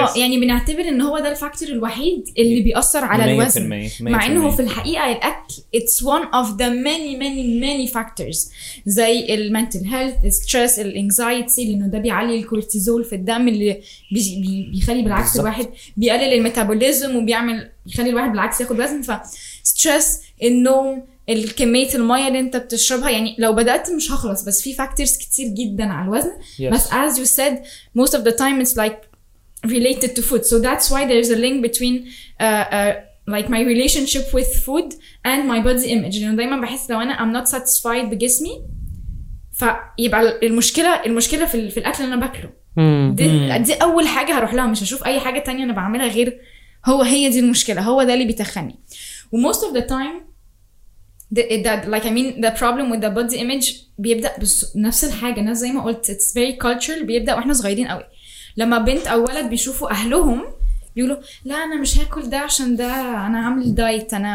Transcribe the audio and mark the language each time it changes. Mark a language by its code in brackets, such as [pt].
[ar] يعني بنعتبر ان هو ده الفاكتور الوحيد اللي بيأثر على الوزن, مع انه في الحقيقه الاكل [en] it's one of the many many many factors, [ar] زي المنتل هيلث, الستريس, الانكزايتي, لانه ده بيعلي الكورتيزول في الدم اللي بيخلي بالعكس الواحد بيقلل الميتابوليزم وبيعمل يخلي الواحد بالعكس ياخد وزن. فستريس, النوم, الكمية المية اللي انت بتشربها, يعني لو بدأت مش هخلص, بس في فاكتورز كتير جدا على الوزن. [en] بس as you said most of the time it's like related to food, so that's why there's a link between like my relationship with food and my body image. [ar] يعني دايما بحس لو انا [en] I'm not satisfied [ar] بجسمي فيبقى المشكلة في الاكل اللي انا باكله. دي اول حاجة هروح لها, مش هشوف اي حاجة تانية انا بعملها غير هو, هي دي المشكلة, هو ده اللي بيتخني. و [en] most of the time that like I mean the problem with the body image [ar] بيبدأ بنفس الحاجة, ناس زي ما قلت [en] it's very cultural, [ar] بيبدأ وإحنا صغيرين قوي لما بنت أو ولد بيشوفوا أهلهم بيقولوا لا أنا مش هاكل ده عشان ده أنا عامل دايت.